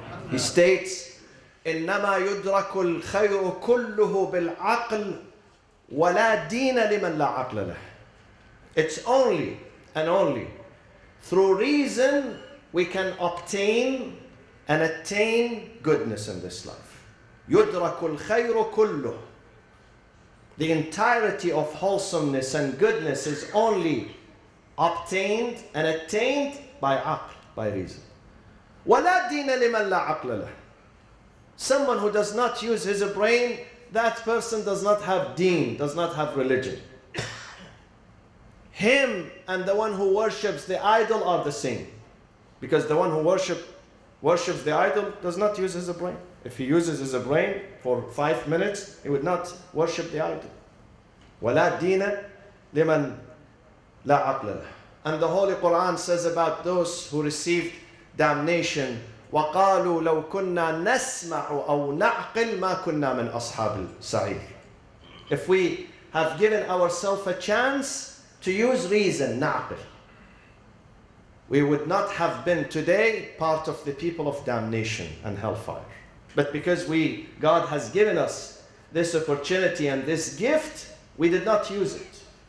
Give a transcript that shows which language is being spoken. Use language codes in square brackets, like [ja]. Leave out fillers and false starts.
[en] He states, [ar] إِنَّمَا يُدْرَكُ الْخَيْرُ كُلُّهُ بِالْعَقْلِ وَلَا دِينَ لِمَنْ لَا عَقْلَ لَهِ. [en] It's only and only through reason we can obtain and attain goodness in this life. [ar] يُدْرَكُ الْخَيْرُ كُلُّهُ. [en] The entirety of wholesomeness and goodness is only obtained and attained by aql, by reason. [ar] وَلَا دِينَ لِمَنْ لَا عَقْلَ لَهِ. [en] Someone who does not use his brain, that person does not have deen, does not have religion. Him and the one who worships the idol are the same. Because the one who worships the idol does not use his brain. If he uses his brain for 5 minutes, he would not worship the idol. [ar] وَلَا دِينَ لِمَنْ لَا عَقْلَ لَهِ. [en] And the Holy Quran says about those who received damnation, [ar] وَقَالُوا لَوْ كُنَّا نَسْمَعُ أَوْ نَعْقِلْ مَا كُنَّا مِنْ أَصْحَابِ السَّعِيرِ. [en] If we have given ourselves a chance to use reason, نَعْقِلْ, we would not have been today part of the people of damnation and hellfire. But because God has given us this opportunity and this gift, we did not use it.